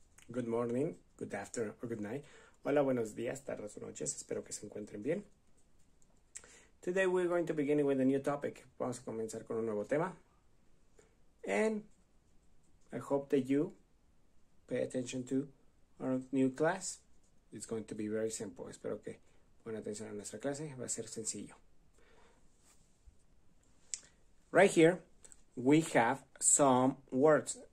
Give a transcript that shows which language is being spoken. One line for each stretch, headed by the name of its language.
English: Good morning, good afternoon, or good night.
Spanish: Hola, buenos días, tardes o noches. Espero que se encuentren bien.
English: Today we're going to begin with a new topic.
Spanish: Vamos a comenzar con un nuevo tema.
English: And I hope that you pay attention to our new class. It's going to be very simple.
Spanish: Espero que pongan atención a nuestra clase. Va a ser sencillo.
English: Right here, we have some words.